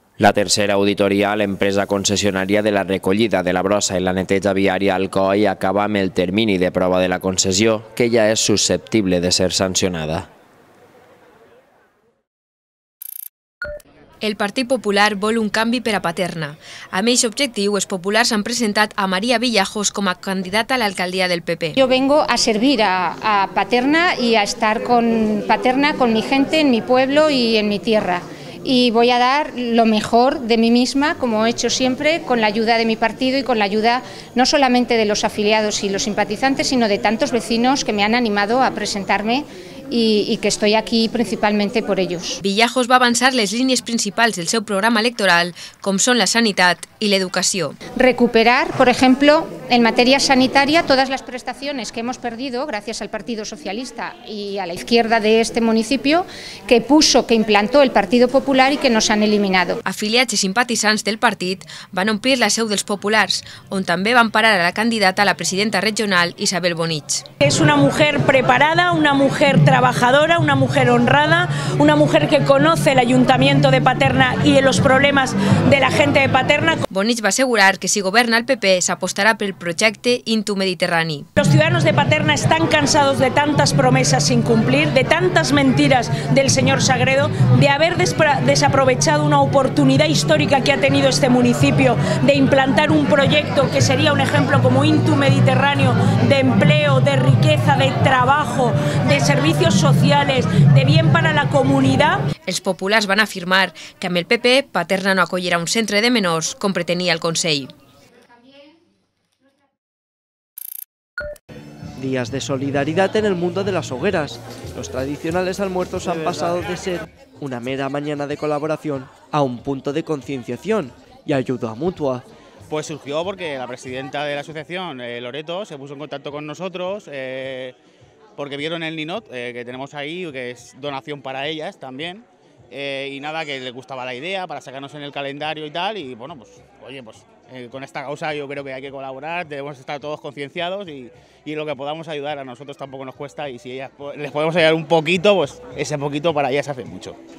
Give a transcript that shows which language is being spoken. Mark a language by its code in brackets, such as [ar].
[ca] La tercera auditoria a l'empresa concessionària de la recollida de la brossa i la neteja viària Alcoi acaba amb el termini de prova de la concessió, que ja és susceptible de ser sancionada. El Partit Popular vol un canvi per a Paterna. Amb aquest objectiu, els populars han presentat a Maria Villajos com a candidata a l'alcaldia del PP. [es] Yo vengo a servir a Paterna y a estar con Paterna, con mi gente, en mi pueblo y en mi tierra. Y voy a dar lo mejor de mí misma, como he hecho siempre, con la ayuda de mi partido y con la ayuda no solamente de los afiliados y los simpatizantes, sino de tantos vecinos que me han animado a presentarme y que estoy aquí principalmente por ellos. [ca] Villajos va avançar les línies principals del seu programa electoral, com són la sanitat i l'educació. [es] Recuperar, por ejemplo, en materia sanitaria todas las prestaciones que hemos perdido gracias al Partido Socialista y a la izquierda de este municipio que puso, que implantó el Partido Popular y que nos han eliminado. [ca] Afiliats i simpatitzants del partit van omplir la seu dels populars, on també van parar a la candidata a la presidenta regional, Isabel Bonich. [es] Es una mujer preparada, una mujer trabajadora, una mujer honrada, una mujer que conoce el Ayuntamiento de Paterna y los problemas de la gente de Paterna. [ca] Bonich va asegurar que si governa el PP s'apostarà pel projecte Into Mediterrani. [es] Los ciudadanos de Paterna están cansados de tantas promesas sin cumplir, de tantas mentiras del señor Sagredo, de haber desaprovechado una oportunidad histórica que ha tenido este municipio de implantar un proyecto que sería un ejemplo como Into Mediterráneo de empleo, de riqueza, de trabajo, de servicios sociales, de bien para la comunidad. [ca] Els populars van afirmar que amb el PP Paterna no acollirà un centre de menors com pretenia el Consell. [es] Días de solidaridad en el mundo de las hogueras. Los tradicionales almuerzos han pasado de ser una mera mañana de colaboración a un punto de concienciación y ayuda mutua. Pues surgió porque la presidenta de la asociación, Loreto, se puso en contacto con nosotros porque vieron el Ninot que tenemos ahí, que es donación para ellas también, y nada, que les gustaba la idea para sacarnos en el calendario y tal, y bueno, pues oye, pues con esta causa yo creo que hay que colaborar, debemos estar todos concienciados y lo que podamos ayudar a nosotros tampoco nos cuesta, y si ellas les podemos ayudar un poquito, pues ese poquito para ellas hace mucho.